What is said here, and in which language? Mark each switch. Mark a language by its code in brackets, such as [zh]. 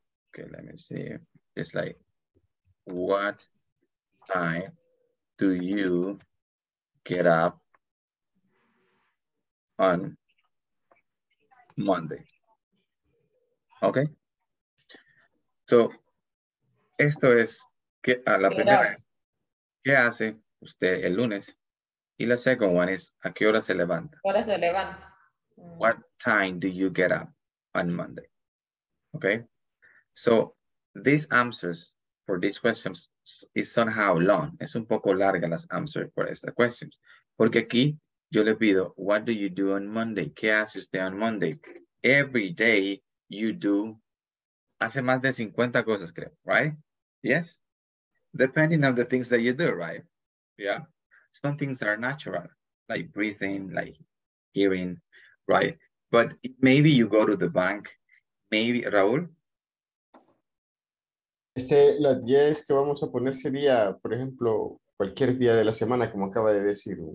[en] Okay, let me see. It's like, what time do you get up on Monday? Okay. [es] So, esto es que a la primera es, ¿qué hace usted el lunes? Y la [en] second one [es] is, ¿a qué hora se levanta? ¿Hora se levanta? [en] What time do you get up on Monday? Okay. So, these answers for these questions is somehow long. [es] Es un poco larga las [en] answers for [es] estas [en] questions. [es] Porque aquí yo le pido, [en] what do you do on Monday? [es] ¿Qué hace usted [en] on Monday? Every day you do, [es] hace más de 50 cosas, creo, [en] right? Yes? Depending on the things that you do, right? Yeah? Some things are natural, like breathing, like hearing, right? But maybe you go to the bank, maybe, Raúl? [es] Este, las 10 que vamos a poner sería, por ejemplo, cualquier día de la semana, como acaba de decir.